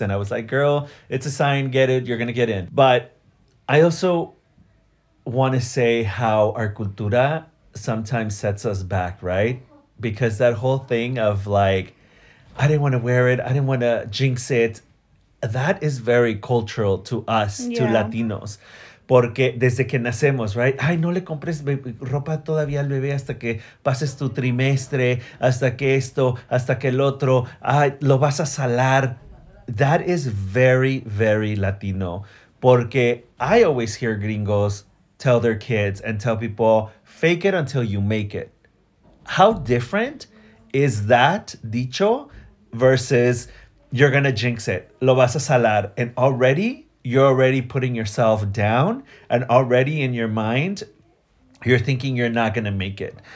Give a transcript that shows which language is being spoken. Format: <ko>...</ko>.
<en>And I was like, girl, it's a sign. Get it. You're going to get in. But I also want to say how our cultura sometimes sets us back, right? Because that whole thing of like, I didn't want to wear it, I didn't want to jinx it, that is very cultural to us, yeah. To Latinos.</en> <es>Porque desde que nacemos,</es> <en>right?</en> <es>Ay, no le compres ropa todavía al bebé hasta que pases tu trimestre, hasta que esto, hasta que el otro. Ay, lo vas a salar.</es> <en>That is very, very Latino.</en> <es>Porque</es> <en>I always hear gringos tell their kids and tell people, fake it until you make it. How different is that dicho versus you're gonna jinx it,</en> <es>lo vas a salar,</es> <en>and already you're already putting yourself down, and already in your mind you're thinking you're not gonna make it.</en>